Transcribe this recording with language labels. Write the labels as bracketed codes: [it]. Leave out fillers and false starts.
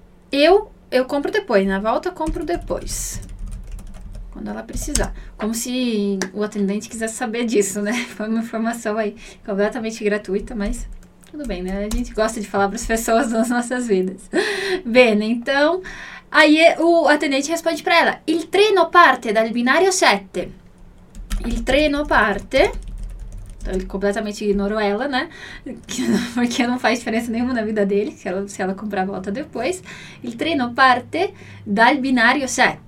[pt] Eu compro depois. Na volta, compro depois. Quando ela precisar. Como se o atendente quisesse saber disso, né? Foi uma informação aí completamente gratuita, mas tudo bem, né? A gente gosta de falar para as pessoas nas nossas vidas. Bene, então, aí o atendente responde para ela. [it] Il treno parte dal binario 7. Il treno parte... [pt] Então, ele completamente ignorou ela, né? Porque não faz diferença nenhuma na vida dele, se ela comprar a volta depois. [it] Il treno parte dal binario 7.